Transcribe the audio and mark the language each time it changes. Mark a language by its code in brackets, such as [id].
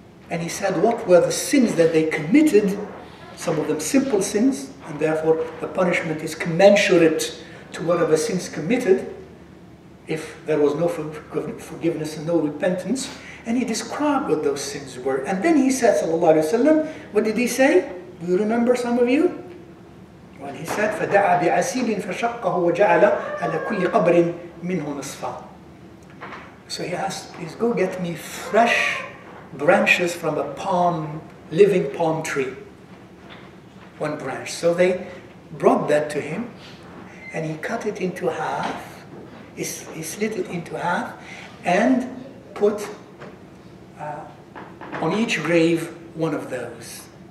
[en] And he said, what were the sins that they committed? Some of them simple sins, and therefore the punishment is commensurate to whatever sins committed. if there was no forgiveness and no repentance. And he described what those sins were. And then he said, sallallahu alayhi wa sallam, what did he say? Do you remember, some of you? When he said, [ar] فَدَعَ بِعَسِيلٍ فَشَقَّهُ وَجَعَلَ عَلَى كُلِّ قَبْرٍ مِنْهُ نَصْفًا. [en] So he asked, please go get me fresh branches from a palm, living palm tree. One branch. So they brought that to him, and he cut it into half. He slit it into half and put on each grave one of those.